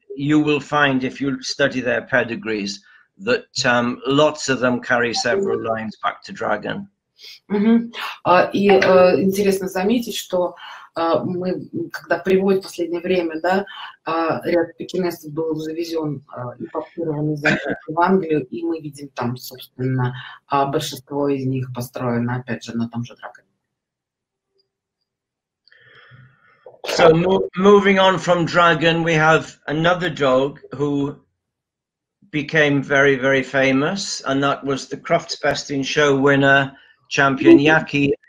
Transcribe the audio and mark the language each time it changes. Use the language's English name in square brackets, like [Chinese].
[English] You will find if you study their pedigrees that lots of them carry several lines back to dragon. [Russian] Интересно заметить, что мы, когда приводим в последнее время, да, ряд пекинесов был завезен и попирован в Англию, и мы видим там, собственно, большинство из них построено, опять же, на том же драконе. [English] So, moving on from dragon, we have another dog who became very, very famous, and that was the Crofts Best in Show winner, champion Yaki.